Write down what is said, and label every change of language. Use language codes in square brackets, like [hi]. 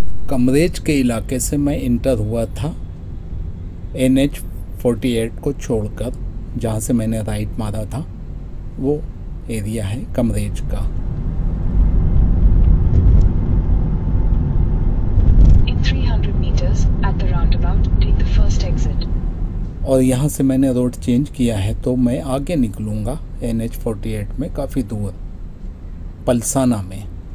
[hi] कमरेज के इलाके से मैं इंटर हुआ था NH 48 को छोड़कर, जहाँ से मैंने राइट मारा था वो एरिया है कमरेज का। [en] In 300 meters at the roundabout, take the first exit. [hi] और यहाँ से मैंने रोड चेंज किया है तो मैं आगे निकलूँगा NH 48 में, काफ़ी दूर पलसाना में।